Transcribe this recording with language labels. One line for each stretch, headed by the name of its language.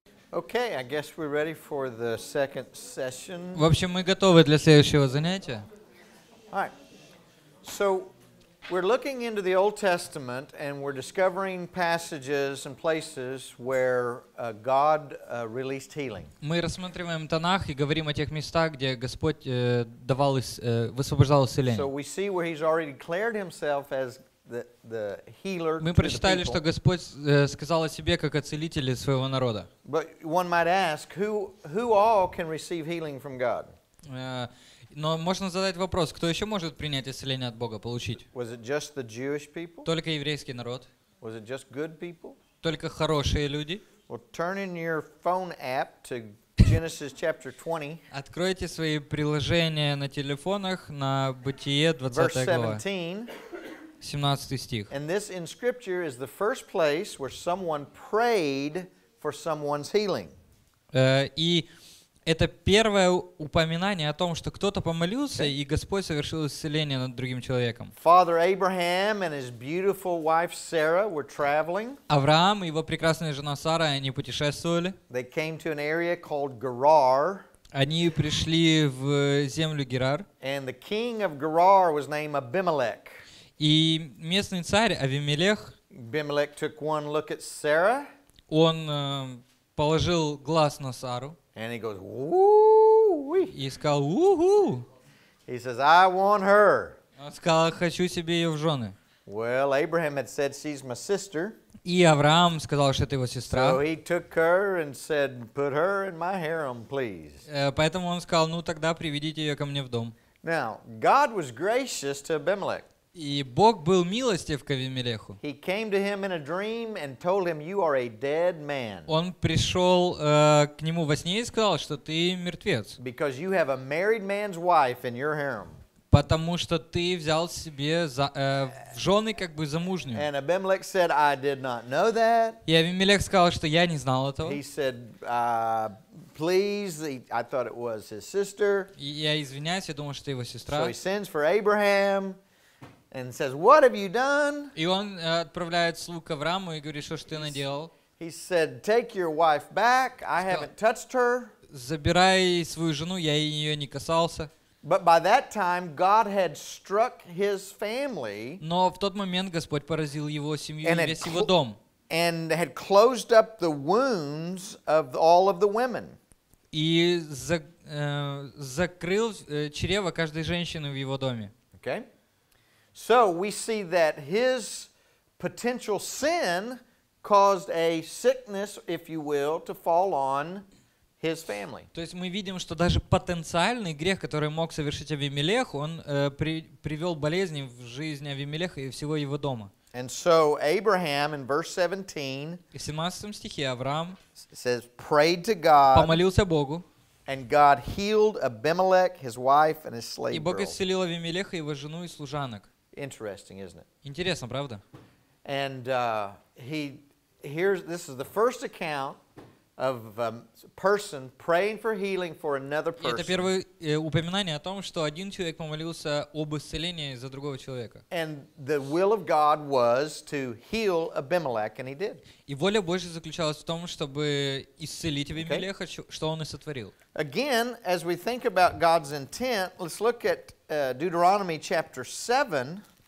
English: Okay, I guess we're ready for the second session.
Russian: В общем, мы готовы для следующего занятия.
English: All right. So we're looking into the Old Testament and we're discovering passages and places where God released healing.
Russian: Мы рассматриваем Танах и говорим о тех местах, где Господь давал высвобождал исцеление.
English: So we see where He's already declared Himself as the healer.
Russian: Мы прочитали, что Господь сказал о себе как о целителе своего народа.
English: But one might ask, who all can receive healing from God?
Russian: Но можно задать вопрос, кто еще может принять исцеление от Бога, получить?
English: Was it just the Jewish people?
Russian: Только еврейский народ?
English: Was it just good people?
Russian: Только хорошие люди?
English: Well, turn in your phone app to Genesis chapter 20.
Russian: Откройте свои приложения на телефонах на Бытие 20 глава.
English: Verse 17.
Russian: 17 стих.
English: And this in scripture is the first place where someone prayed for someone's healing.
Russian: И это первое упоминание о том, что кто-то помолился, и Господь совершил исцеление над другим человеком.
English: Father Abraham and his beautiful wife Sarah were traveling.
Russian: Авраам и его прекрасная жена Сара, они путешествовали.
English: They came to an area called Gerar.
Russian: Они пришли в землю Герар.
English: And the king of Gerar was named Abimelech.
Russian: И местный царь Авимелех,
English: Abimelech took one look at Sarah.
Russian: Он положил глаз на Сару.
English: And he goes, "Woo-wee!"
Russian: И сказал, "Woo-hoo!"
English: He says, "I want her."
Russian: Он сказал, "Хочу себе ее в жены."
English: Well, Abraham had said, "She's my sister."
Russian: И Авраам сказал, что это его сестра.
English: So he took her and said, "Put her in my harem, please."
Russian: Поэтому он сказал, ну тогда приведите ее ко мне в дом.
English: Now, God was gracious to Abimelech.
Russian: И Бог был милостив к Авимелеху.
English: He came to him in a dream and told him, "You are a dead man."
Russian: Он пришел к нему во сне и сказал, что ты мертвец.
English: Because you have a married man's wife in your harem.
Russian: Потому что ты взял себе в жены как бы замужнюю.
English: And Abimelech said, "I did not know that."
Russian: И Авимелех сказал, что я не знал этого.
English: He said, "Please, I thought it was his sister."
Russian: И я извиняюсь, я думал, что его сестра.
English: So he sends for Abraham. And says, "What have you done?"
Russian: И он отправляет слугу к Аврааму и говорит, что ж ты наделал?
English: He said, "Take your wife back. I haven't touched her."
Russian: Забирай свою жену, я ее не касался.
English: But by that time, God had struck his family.
Russian: Но в тот момент Господь поразил его семью и весь его дом.
English: And had closed up the wounds of all of the women.
Russian: И закрыл чрево каждой женщины в его доме.
English: Okay. So we see that his potential sin caused a sickness, if you will, to fall on his family.
Russian: То есть мы видим, что даже потенциальный грех, который мог совершить Авимелех, он привел болезни в жизнь Авимелеха и всего его дома.
English: And so Abraham, in verse 17,
Russian: 17 стихе Авраам
English: says, "Prayed to God."
Russian: Помолился Богу.
English: And God healed Abimelech, his wife, and his slave girl.
Russian: И Бог исцелил Авимелеха, его жену и служанок.
English: Interesting, isn't it?
Russian: Интересно, правда?
English: And this is the first account of a person praying for healing for another person.
Russian: Это первое упоминание о том, что один человек помолился об исцелении за другого человека.
English: And the will of God was to heal Abimelech, and he did.
Russian: И воля Божья заключалась в том, чтобы исцелить Авимелеха, что он и сотворил.
English: Again, as we think about God's intent, let's look at Deuteronomy chapter 7.